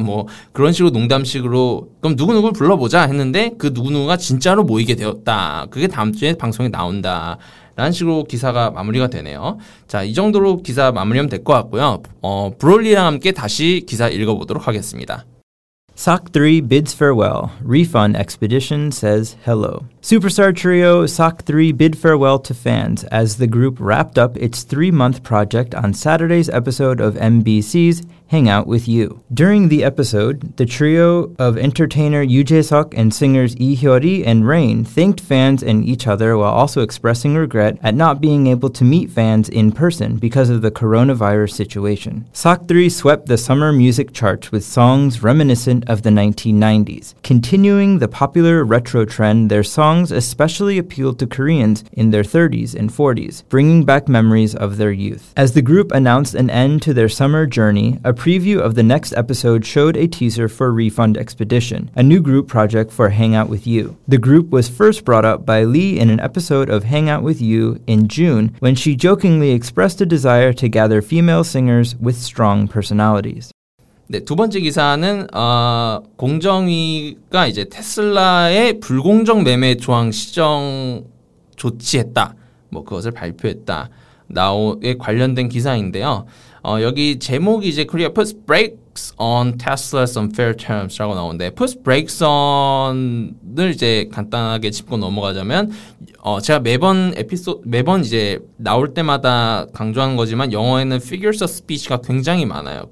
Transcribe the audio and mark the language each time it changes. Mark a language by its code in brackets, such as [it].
[ko] 뭐 그런 식으로 농담식으로 그럼 누구누구를 불러보자 했는데 그 누구누구가 진짜로 모이게 되었다. 그게 다음 주에 방송에 나온다. 라는 식으로 기사가 마무리가 되네요. 자, 이 정도로 기사 마무리하면 될 것 같고요. 브롤리랑 함께 다시 기사 읽어보도록 하겠습니다. [en] SOC 3 bids farewell. Refund Expedition says hello. Superstar trio SOC 3 bid farewell to fans as the group wrapped up its three-month project on Saturday's episode of MBC's Hang Out With You. During the episode, the trio of entertainer Yoo Jae-suk and singers Lee Hyori and Rain thanked fans and each other while also expressing regret at not being able to meet fans in person because of the coronavirus situation. SOC 3 swept the summer music charts with songs reminiscent of the 1990s. Continuing the popular retro trend, their songs especially appealed to Koreans in their 30s and 40s, bringing back memories of their youth. As the group announced an end to their summer journey, a preview of the next episode showed a teaser for Refund Expedition, a new group project for Hang Out With You. The group was first brought up by Lee in an episode of Hang Out With You in June when she jokingly expressed a desire to gather female singers with strong personalities. [ko] 네, 두 번째 기사는 공정위가 이제 테슬라의 불공정 매매 조항 시정 조치했다. 뭐 그것을 발표했다. 나오에 관련된 기사인데요. 여기 제목이 이제 Korea puts brakes on Tesla's unfair terms 라고 나오는데 puts brakes on 을 이제 간단하게 짚고 넘어가자면 제가 매번 매번 이제 나올 때마다 강조하는 거지만 영어에는 figures of speech 가 굉장히 많아요.